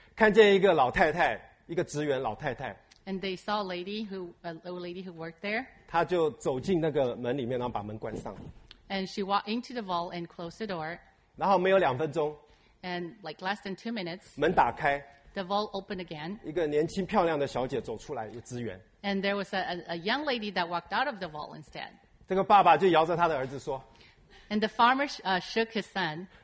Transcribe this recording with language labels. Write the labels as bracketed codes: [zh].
[zh] 看见一个老太太，一个职员老太太。 [en] And they saw a lady who worked there. [zh] 她就走进那个门里面，然后把门关上。 [en] And she walked into the vault and closed the door. [zh] 然后没有两分钟。 [en] And like less than 2 minutes. [zh] 门打开。 [en] The vault opened again. [zh] 一个年轻漂亮的小姐走出来，一个职员。 [en] And there was a young lady that walked out of the vault instead. [zh] 这个爸爸就摇着他的儿子说。 [en] And the farmer shook his son.